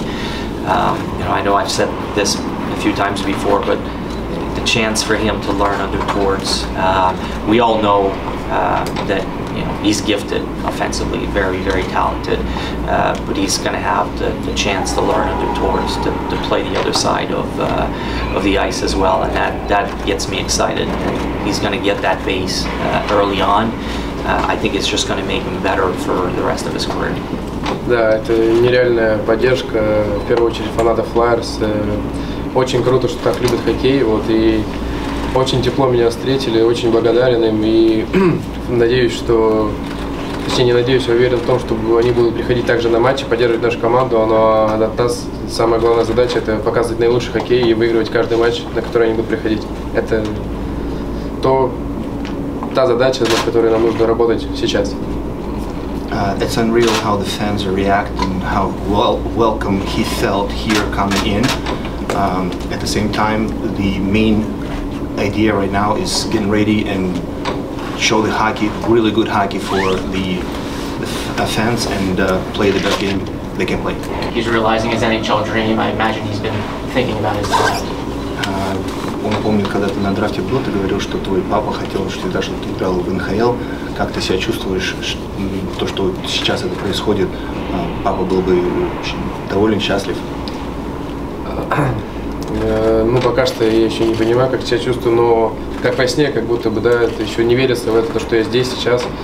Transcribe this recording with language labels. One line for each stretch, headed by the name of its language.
English: I know I've said this a few times before, but the chance for him to learn under Torts, we all know that he's gifted offensively, very, very talented, but he's going to have the chance to learn under Torts, to play the other side of the ice as well, and that gets me excited. And he's going to get that base early on. I think it's just going to make him better for the rest of his career.
Russian: Да, это нереальная поддержка, в первую очередь фанатов Flyers. Очень круто, что так любят хоккей, вот, и очень тепло меня встретили, очень благодарен им, и надеюсь, что, точнее, не надеюсь, а уверен в том, что они будут приходить также на матчи, поддерживать нашу команду, но от нас самая главная задача – это показывать наилучший хоккей и выигрывать каждый матч, на который они будут приходить. Это то, та задача, над которой нам нужно работать сейчас.
English: It's unreal how the fans are reacting, how welcome he felt here coming in. At the same time, the main idea right now is getting ready and show the hockey, really good hockey for the fans, and play the best game they can play. He's realizing his NHL dream. I imagine he's been thinking about his draft.
Russian: Он помнит, когда ты на драфте был, ты говорил, что твой папа хотел всегда, чтобы ты играл в НХЛ. Как ты себя чувствуешь? То, что сейчас это происходит, папа был бы очень доволен, счастлив. Ну, пока что я еще не понимаю, как себя чувствую, но как во сне, как будто бы, да, это еще не верится в это, то, что я здесь сейчас.